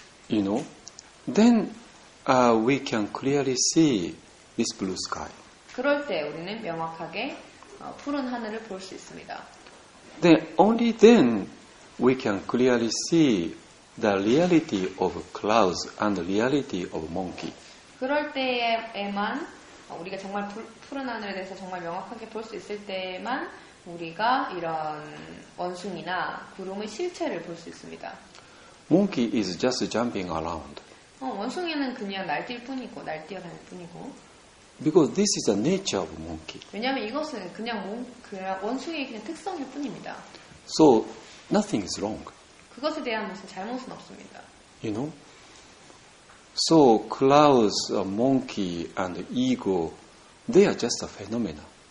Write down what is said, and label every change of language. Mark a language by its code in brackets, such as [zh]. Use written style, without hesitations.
[en] You know, then we can clearly see this blue sky. [ko] 그럴 때 우리는 명확하게 푸른 하늘을 볼 수 있습니다. [en] Then only then we can clearly see the reality of clouds and the reality of monkey. [ko] 그럴 때에만 우리가 정말 푸른 하늘에 대해서 정말 명확하게 볼 수 있을 때에만 우리가 이런 원숭이나 구름의 실체를 볼 수 있습니다. [en] Monkey is just jumping around. [ko] 원숭이는 그냥 날뛰어다닐 뿐이고. [en] Because this is the nature of monkey. [ko] 왜냐하면 이것은 그냥 원숭이의 그냥 특성일 뿐입니다. [en] So nothing is wrong. [ko] 그것에 대한 무슨 잘못은 없습니다. [en] You know. So clouds, monkey, and ego, they are just a phenomena.